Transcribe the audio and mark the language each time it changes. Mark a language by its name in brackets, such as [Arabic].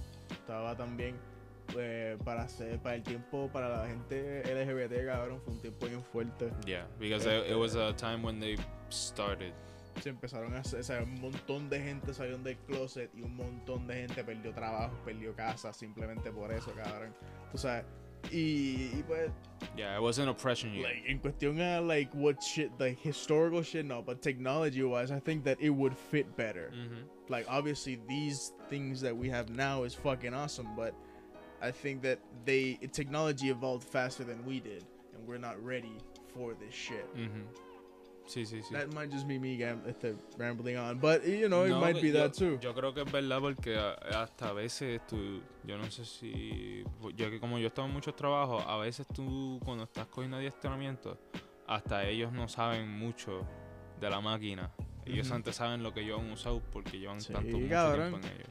[Spanish] Estaba también para el tiempo para la gente LGBT, cabrón, fue un tiempo bien fuerte. [English] Yeah, because it was a time when they started. [Spanish] Se empezaron a hacer, o sea, un montón de gente salió del closet y un montón de gente perdió trabajo, perdió casa simplemente por eso, cabrón. Tú sabes. Y pues, [English] yeah, it wasn't oppression yet. Like, [Spanish] en cuestión a, [English] like, what shit, like, historical shit, no, but technology-wise, I think that it would fit better. Mm-hmm. Like, obviously, these things that we have now is fucking awesome, but I think that they technology evolved faster than we did, and we're not ready for this shit. [Spanish] Mm-hmm. Sí, sí, sí. [English] That might just be me rambling on, but, you know, it might be that, too. [Spanish] Yo creo que es verdad porque hasta a veces tú, yo no sé si... Yo que como yo estaba en muchos trabajos, a veces tú cuando estás cogiendo adiestramiento, hasta ellos no saben mucho de la máquina. Ellos antes saben lo que yo han usado porque llevan mucho tiempo en ellos.